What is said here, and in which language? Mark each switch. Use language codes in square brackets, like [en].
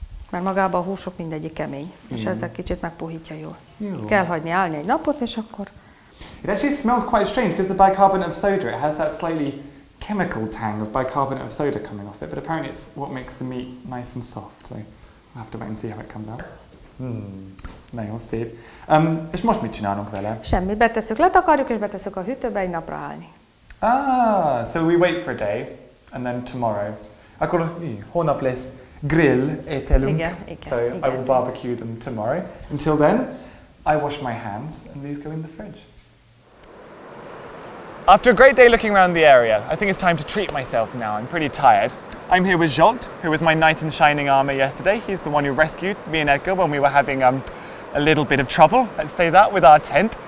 [hu] Mert magában a húsok mindegyik kemény, és ezzel kicsit megpuhítja jól. Jó. Kell hagyni állni egy napot, és akkor... [en] It actually smells quite strange, because the bicarbonate of soda, it has that slightly chemical tang of bicarbonate of soda coming off it, but apparently it's what makes the meat nice and soft, so I'll have to wait and see how it comes out. [hu] Nagyon szép. És most mit csinálunk vele? Semmi, betesszük, letakarjuk és betesszük a hűtőbe egy napra állni. [en] Ah, so we wait for a day and then tomorrow. [hu] Akkor holnap lesz grill ételünk. Igen, igen. [en] So [hu] igen. [en] I will barbecue them tomorrow. Until then, I wash my hands and these go in the fridge. After a great day looking around the area, I think it's time to treat myself now. I'm pretty tired. I'm here with Jolt, who was my knight in shining armor yesterday. He's the one who rescued me and Edgar when we were having a little bit of trouble, let's say that, with our tent.